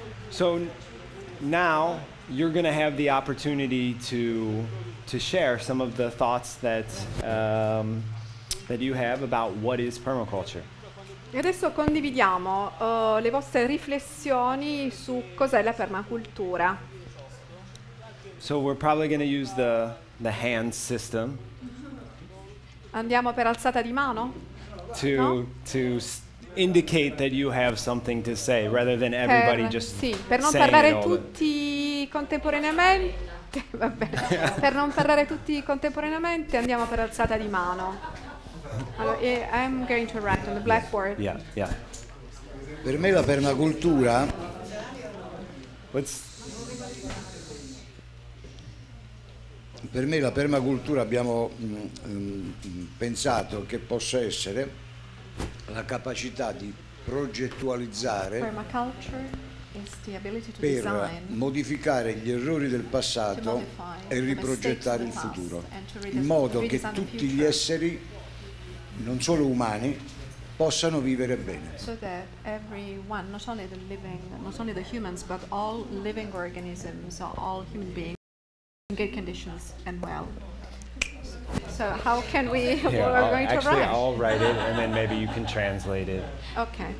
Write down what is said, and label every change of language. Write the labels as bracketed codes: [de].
[en] So now you're going to have the opportunity to share some of the thoughts that that you have about what is permaculture. [it] E adesso condividiamo le vostre riflessioni su cos'è la permacultura. [en] So we're probably going to use the hand system. [it] Andiamo per alzata di mano? [en] To indicate that you have something to say rather than everybody just saying. [it] Sì, per non parlare tutti contemporaneamente. Vabbè. Per non parlare tutti contemporaneamente, andiamo per alzata di mano. [en] I'm going to write on the blackboard. Yeah, yeah. [it] Per me la permacultura. Per me la permacultura abbiamo pensato che possa essere la capacità di progettualizzare. [en] Permaculture is the ability to [it] per [en] design, [it] modificare gli errori del passato e riprogettare il futuro. In modo che tutti gli esseri, non solo umani, possano vivere bene. [en] So that everyone, not only the living, not only the humans, but all living organisms, all human beings, in good conditions and well. So how can we? Yeah, what are going to write? Actually, I'll write it, and then maybe you can translate it. Okay.